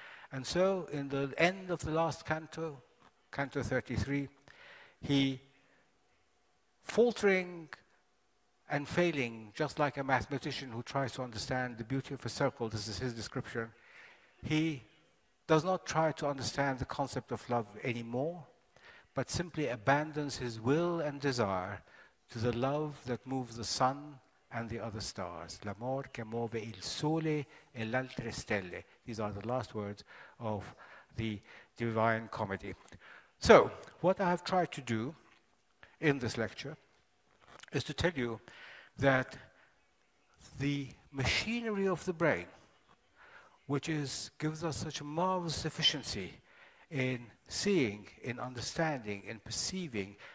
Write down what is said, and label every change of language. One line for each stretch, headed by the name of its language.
English: And so, in the end of the last canto, canto 33, he, faltering and failing, just like a mathematician who tries to understand the beauty of a circle, this is his description, he does not try to understand the concept of love anymore, but simply abandons his will and desire to the love that moves the sun and the other stars.
Italian: L'amor che muove il sole e l'altre stelle.
English: These are the last words of the Divine Comedy. So, what I have tried to do in this lecture is to tell you that the machinery of the brain, which gives us such marvelous efficiency in seeing, in understanding, in perceiving,